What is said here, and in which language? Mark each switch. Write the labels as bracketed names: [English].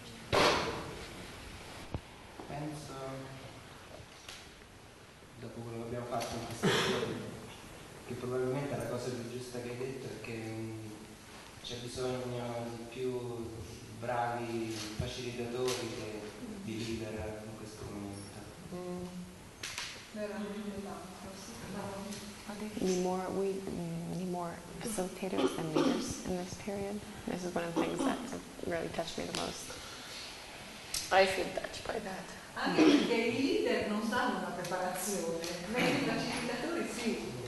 [Italian] Penso, dopo quello che abbiamo fatto in questi giorni, che probabilmente la cosa più giusta che hai detto è che c'è bisogno di più bravi facilitatori che di leader in questo momento. [English] We need more facilitators than leaders in this period. This is one of the things that really touched me the most. I feel touched by that. [Italian] Anche perché i leader non sanno la preparazione, ma i facilitatori sì.